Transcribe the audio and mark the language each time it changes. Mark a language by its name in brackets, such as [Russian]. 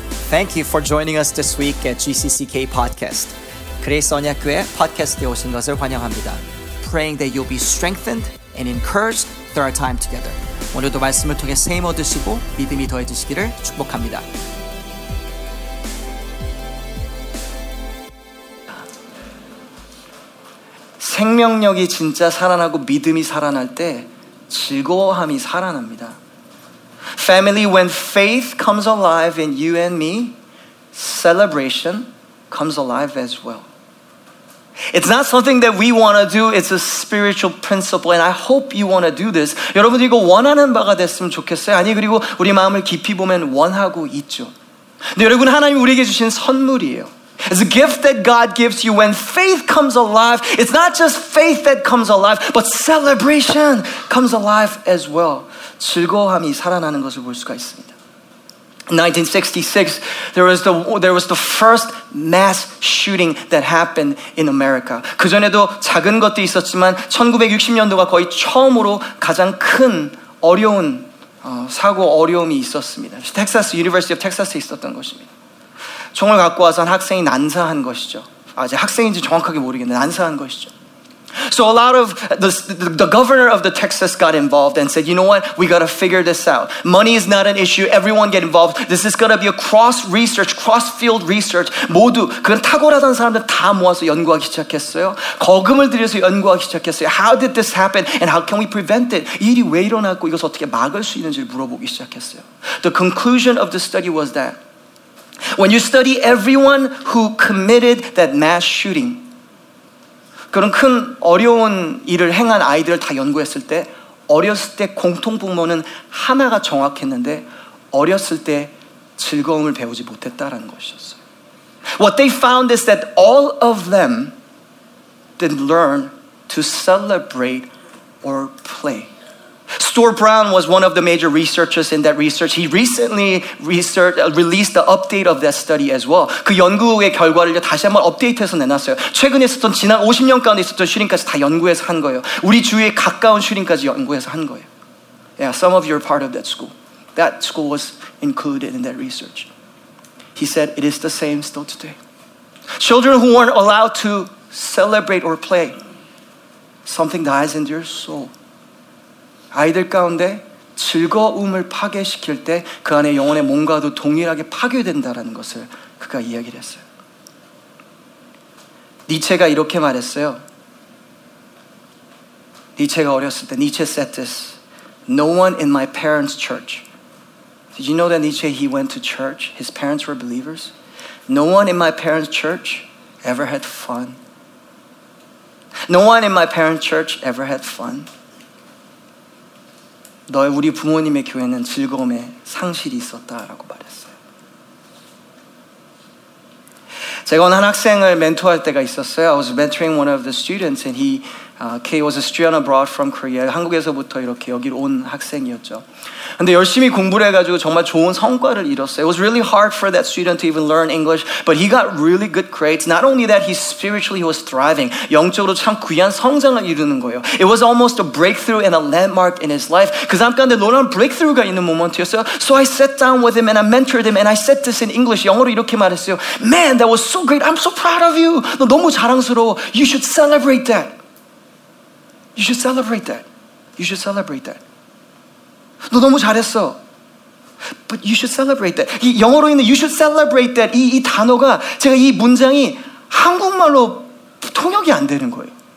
[English] Thank you for joining us this week at GCCK Podcast. [Korean] 그레이스 언약교회 팟캐스트에 오신 것을 환영합니다. [English] Praying that you'll be strengthened and encouraged through our time together. [Korean] 오늘도 말씀을 통해 세임 얻으시고 믿음이 더해지시기를 축복합니다. 생명력이 진짜 살아나고 믿음이 살아날 때 즐거워함이 살아납니다. [English] Family, when faith comes alive in you and me, celebration comes alive as well. It's not something that we want to do. It's a spiritual principle, and I hope you want to do this. [Korean] 여러분들 이거 원하는 바가 됐으면 좋겠어요. 아니 그리고 우리 마음을 깊이 보면 원하고 있죠. 근데 여러분 하나님 우리에게 주신 선물이에요. [English] It's a gift that God gives you when faith comes alive. It's not just faith that comes alive, but celebration comes alive as well. [Korean] 즐거움이 살아나는 것을 볼 수가 있습니다. [English] In 1966, there was the first mass shooting that happened in America. [Korean] 그 전에도 작은 것도 있었지만 1960년도가 거의 처음으로 가장 큰 어려운 사고 어려움이 있었습니다. 텍사스 유니버시티 오브 텍사스에 있었던 것입니다. 총을 갖고 와서 한 학생이 난사한 것이죠. 아, 제 학생인지 정확하게 모르겠는데 난사한 것이죠. [English] So a lot of the governor of the Texas got involved and said, you know what, we got to figure this out. Money is not an issue. Everyone get involved. This is going to be a cross-field research. [Korean] 모두 그런 탁월하다는 사람들 다 모아서 연구하기 시작했어요. 거금을 들여서 연구하기 시작했어요. [English] How did this happen and how can we prevent it? [Korean] 일이 왜 일어났고 이것을 어떻게 막을 수 있는지를 물어보기 시작했어요. [English] The conclusion of the study was that when you study everyone who committed that mass shooting, [Korean] 그런 큰 어려운 일을 행한 아이들을 다 연구했을 때 어렸을 때 공통 부모는 하나가 정확했는데 어렸을 때 즐거움을 배우지 못했다라는 것이었어요. [English] What they found is that all of them didn't learn to celebrate or play. Stuart Brown was one of the major researchers in that research. He recently released the update of that study as well. [Korean] 그 연구의 결과를 다시 한번 업데이트해서 내놨어요. 최근에 있었던 지난 50년 가운데 있었던 슈링까지 다 연구해서 한 거예요. 우리 주위에 가까운 슈링까지 연구해서 한 거예요. [English] Yeah, some of you are part of that school. That school was included in that research. He said, it is the same still today. Children who weren't allowed to celebrate or play, something dies in their soul. [Korean] 아이들 가운데 즐거움을 파괴시킬 때 그 안에 영혼의 뭔가도 동일하게 파괴된다라는 것을 그가 이야기를 했어요. 니체가 이렇게 말했어요. 니체가 어렸을 때, [English] Nietzsche said this. No one in my parents' church. Did you know that Nietzsche, he went to church? His parents were believers. No one in my parents' church ever had fun. No one in my parents' church ever had fun. [Korean] 너의 우리 부모님의 교회는 즐거움의 상실이 있었다라고 말했어요. 제가 어느 한 학생을 멘토할 때가 있었어요. [English] I was mentoring one of the students and he was a student abroad from Korea. [Korean] 한국에서부터 이렇게 여기로 온 학생이었죠. 근데 열심히 공부를 해가지고 정말 좋은 성과를 이뤘어요. [English] It was really hard for that student to even learn English, but he got really good grades. Not only that, he spiritually was thriving. [Korean] 영적으로 참 귀한 성장을 이루는 거예요. [English] It was almost a breakthrough and a landmark in his life. [Korean] 그 잠깐에 놀라운 breakthrough가 있는 모먼트였어요. [English] So I sat down with him and I mentored him and I said this in English. [Korean] 영어로 이렇게 말했어요. [English] Man, that was so great. I'm so proud of you. [Korean] 너 너무 자랑스러워. [English] You should celebrate that. You should celebrate that. You should celebrate that. [Korean] 너 너무 잘했어. [English] But you should celebrate that. [Korean] 이 영어로 있는 [English] you should celebrate that [Korean] 이 단어가 제가 이 문장이 한국말로 통역이 안 되는 거예요.